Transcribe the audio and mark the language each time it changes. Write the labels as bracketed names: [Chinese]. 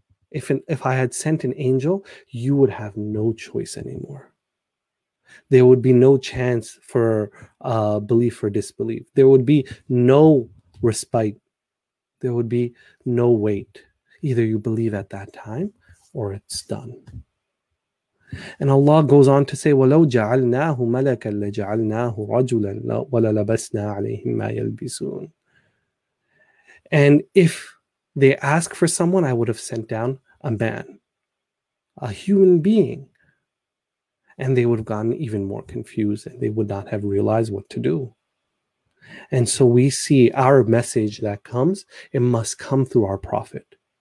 [English] if I had sent an angel, you would have no choice anymore. There would be no chance for belief or disbelief. There would be no respite. There would be no wait. Either you believe at that time or it's done. And Allah goes on to say, [Arabic] وَلَوْ جَعَلْنَاهُ مَلَكًا لَجَعَلْنَاهُ رَجُلًا وَلَلَبَسْنَا عَلَيْهِمْ مَا يَلْبِسُونَ. [English] And if they ask for someone, I would have sent down a man, a human being. And they would have gotten even more confused and they would not have realized what to do. And so we see our message that comes, it must come through our prophet.